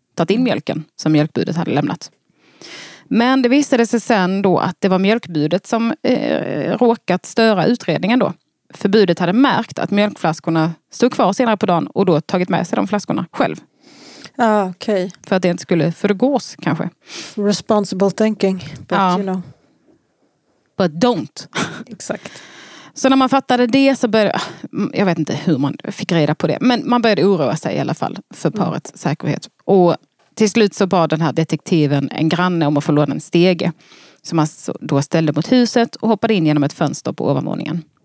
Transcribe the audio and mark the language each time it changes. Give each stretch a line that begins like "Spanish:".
Swedish: Tagit in mjölken som mjölkbudet hade lämnat. Men det visade sig sen då att det var mjölkbudet som råkat störa utredningen då. Förbudet hade märkt att mjölkflaskorna stod kvar senare på dagen och då tagit med sig de flaskorna själv. Ja, ah, okej. Okay. För att det inte skulle förgås, kanske.
English: Responsible thinking, but you know. But don't.
Swedish: Exakt. Så när man fattade det så började, jag vet inte hur man fick reda på det, men man började oroa sig i alla fall för parets säkerhet. Och till slut så bad den här detektiven en granne om att få låna en stege som han då ställde mot huset och hoppade in genom ett fönster på ovanvåningen.